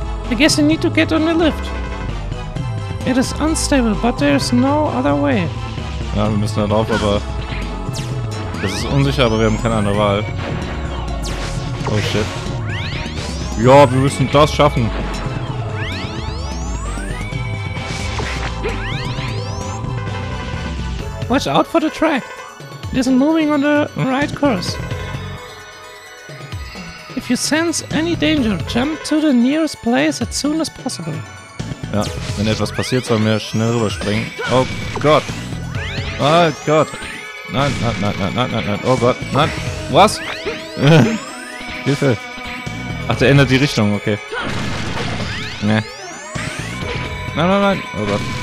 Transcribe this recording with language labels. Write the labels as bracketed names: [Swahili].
[English] I guess you need to get on the lift. It is unstable, but there's no other way. [German] Ja, wir müssen da drauf, aber... Das ist unsicher, aber wir haben keine andere Wahl. [English] Oh shit. [German] Ja, wir müssen das schaffen. [English] Watch out for the track. It isn't moving on the right course. If you sense any danger, jump to the nearest place as soon as possible. [German] Ja, wenn etwas passiert, sollen wir schnell rüberspringen. Oh Gott. Oh Gott. Nein, nein, nein, nein, nein, nein, nein. Oh Gott, nein. Was? Hilfe. Ach, der ändert die Richtung, okay. Ne. Nein, nein, nein. Oh Gott.